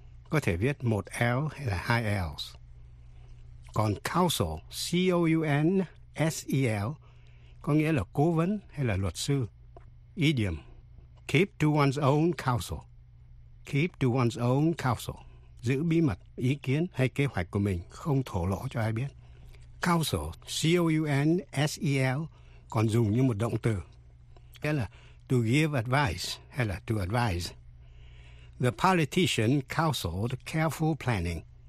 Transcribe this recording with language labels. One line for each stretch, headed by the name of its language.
Vietnamese: Có thể viết một L hay là hai L's. Còn Counsel, C-O-U-N-S-E-L, có nghĩa là cố vấn hay là luật sư.
English: Idiom, keep to one's own counsel. Keep to one's own counsel.
Vietnamese: Giữ bí mật ý kiến hay kế hoạch của mình, không thổ lộ cho ai biết. Counsel, C-O-U-N-S-E-L, còn dùng như một động từ. Nghĩa là
English: to give advice
Vietnamese: hay là
English: to advise. The politician counseled careful planning.